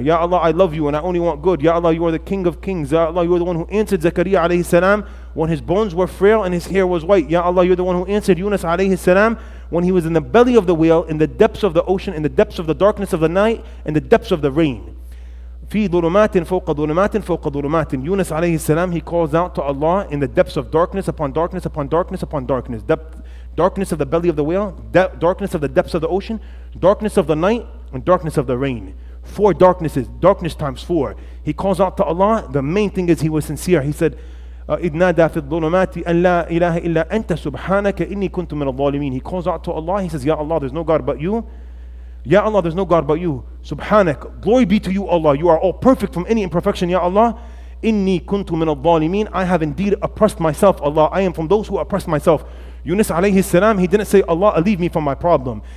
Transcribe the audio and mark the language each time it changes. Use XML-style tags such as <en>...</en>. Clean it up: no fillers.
<en>Ya Allah, I love you and I only want good. Ya Allah, you are the King of Kings. Ya Allah, you are the one who answered Zakariya alayhi salam when his bones were frail and his hair was white. Ya Allah, you're the one who answered Yunus alayhi salam when he was in the belly of the whale, in the depths of the ocean, in the depths of the darkness of the night, in the depths of the rain.</en> <ar>في ظلمات فوق ظلمات فوق ظلمات.</ar> <en>Yunus alayhi salam, he calls out to Allah in the depths of darkness upon darkness upon darkness upon darkness. Darkness of the belly of the whale, darkness of the depths of the ocean, darkness of the night, and darkness of the rain. Four darknesses, darkness times four. He calls out to Allah. The main thing is he was sincere. He said,</en> <ar>إِذْ نَادَى فِي الظُّلُمَاتِ أَنْ لَا إِلَهَ إِلَّا أَنْتَ سُبْحَانَكَ إِنِّي كُنْتُ مِنَ الظَّالِمِينَ.</ar> <en>He calls out to Allah. He says, Ya Allah, there's no God but you. Ya Allah, there's no God but you. Subhanak, glory be to you, Allah. You are all perfect from any imperfection, Ya Allah.</en> <ar>إِنِّي كُنْتُ مِنَ الظَّالِمِينَ.</ar> <en>I have indeed oppressed myself, Allah. I am from those who oppress myself. Yunus alayhi salam, he didn't say, Allah, alleviate me from my problem.</en>